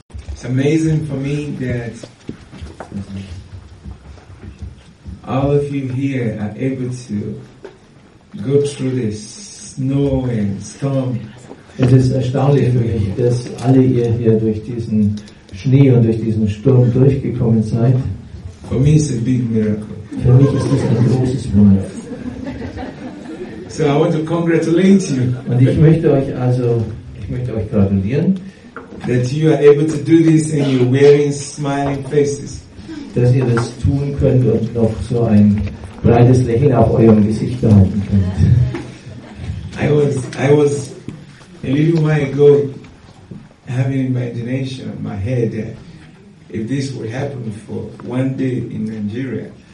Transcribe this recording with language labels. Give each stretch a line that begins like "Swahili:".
English: It's amazing for me that all of you here are able to go through this snow and storm.
German: Es ist erstaunlich für mich, dass alle ihr hier durch diesen Schnee und durch diesen Sturm durchgekommen seid.
English: For me it's a big miracle.
German: Für mich ist das ein großes Wunder.
English: So I want to congratulate you.
German: Und ich möchte euch gratulieren,
English: that you are able to do this and you're wearing smiling faces.
German: Dass ihr das tun könnt und noch so ein breites Lächeln auf eurem Gesicht behalten könnt.
English: I was a little while ago having imagination in my head that if this would happen for one day in Nigeria.